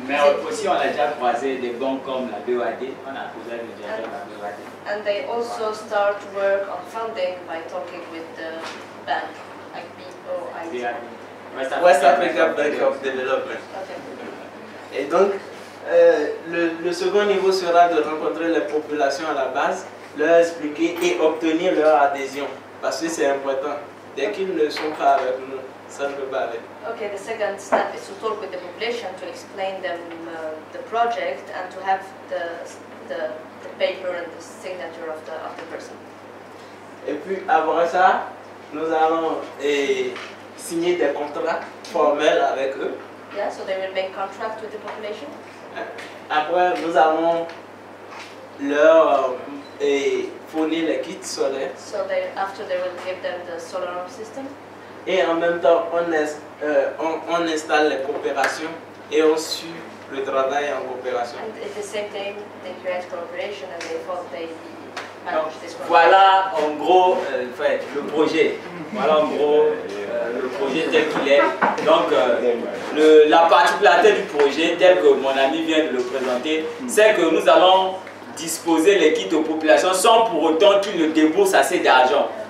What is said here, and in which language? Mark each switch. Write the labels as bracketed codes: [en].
[fr] Mais aussi, on a déjà croisé des banques comme la BOAD, on a posé des gens à la BOAD. [en] And they also start work on funding by talking with the bank, like BOID. West Africa Bank of Development. Okay. [fr] Et donc, le second niveau sera de rencontrer les populations à la base, leur expliquer et obtenir leur adhésion. Parce que c'est important. Dès qu'ils ne sont pas avec nous, ça ne peut pas aller. [en] Ok, the second step is to talk with the population, to explain them the project and to have the paper and the signature of the person. [fr] Et puis, avant ça, nous allons signer des contrats formels avec eux. [en] Yeah, so they will make contracts with the population. [fr] Après, nous allons leur fournir les kits solaires. [en] So they, after they will give them the solar system. [fr] Et en même temps, on installe les coopérations et on suit le travail en coopération. [en] And it's the same thing, they create cooperation and therefore they manage this one. [fr] Voilà en gros le projet. Voilà en gros le projet tel qu'il est. Donc, la particularité du projet, tel que mon ami vient de le présenter, c'est que nous allons disposer les kits aux populations sans pour autant qu'ils ne déboursent assez d'argent.